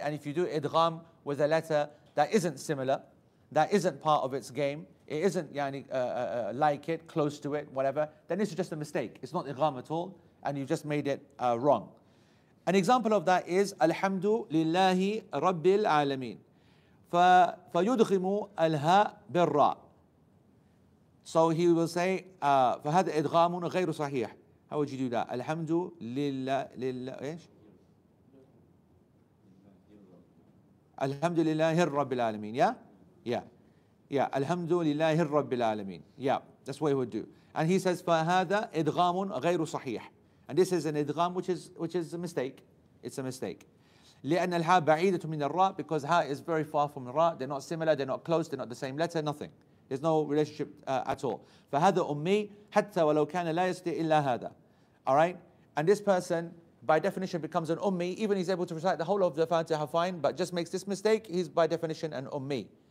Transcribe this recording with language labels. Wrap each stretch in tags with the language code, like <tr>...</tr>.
<en>And if you do idgham with a letter that isn't similar, that isn't part of its game, it isn't like it, close to it, whatever, then it's just a mistake. It's not idgham at all, and you've just made it wrong. An example of that is</en> <ar>الحمد لله رب العالمين فيدغم الهاء بالراء.</ar> <en>So he will say</en> <ar>فهذا إدغام غير صحيح.</ar> <en>How would you do that?</en> <ar>الحمد لله الحمد لله رب العالمين.</ar> <en>Yeah.</en> <ar>الحمد لله رب العالمين.</ar> <en>Yeah. That's what he would do. And he says</en> <ar>فهذا إدغام غير صحيح.</ar> <en>And this is an idgham which is a mistake. It's a mistake.</en> <ar>لأن الها بعيدة من الراء,</ar> <en>because ها is very far from الراء. They're not similar, they're not close, they're not the same letter, nothing. There's no relationship at all.</en> <ar>فهذا أمي حتى ولو كان لا يستطيع إلا هذا.</ar> <en>All right? And this person, by definition, becomes an أمي. Even he's able to recite the whole of the Fatiha fine, but just makes this mistake, he's by definition an أمي.</en>